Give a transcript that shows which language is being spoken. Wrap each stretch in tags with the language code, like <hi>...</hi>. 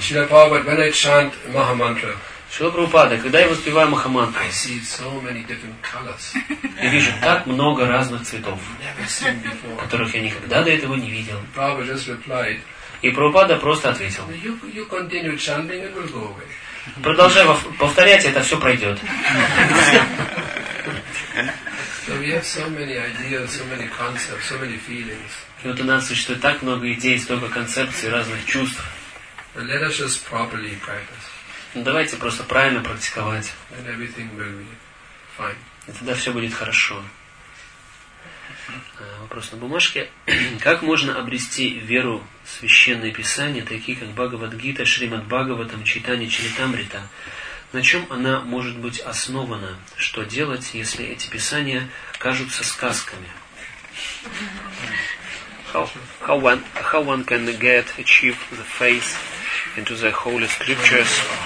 <en>Шрила Прабхупада, when I chant Mahamantra.</en> <ru>Шрила Прабхупада, когда я воспеваю Махамантру,</ru> <en>I see so many different colors.</en> <ru>Я вижу так много разных цветов, которых я никогда до этого не видел.</ru> <en>Prabhupada just replied.</en> <ru>И Прабхупада просто ответил.</ru> <en>You continue chanting, it will go away.</en> <ru>Продолжай повторять, это все пройдет.</ru> <en>So we have so many ideas, so many concepts, so many feelings.</en> <ru>И вот у нас существует так много идей, столько концепций, разных чувств.</ru> <en>Let us just properly practice.</en> <ru>Ну, давайте просто правильно практиковать.</ru> <en>And everything will be fine.</en> <ru>И тогда все будет хорошо. Вопрос на бумажке. Как можно обрести веру в священные писания, такие как Бхагавадгита, Шримад Бхагаватам, Чайтанья Чаритамрита? На чем она может быть основана? Что делать, если эти писания кажутся сказками?</ru> <en>How one can get achieve the faith into the holy scriptures?</en>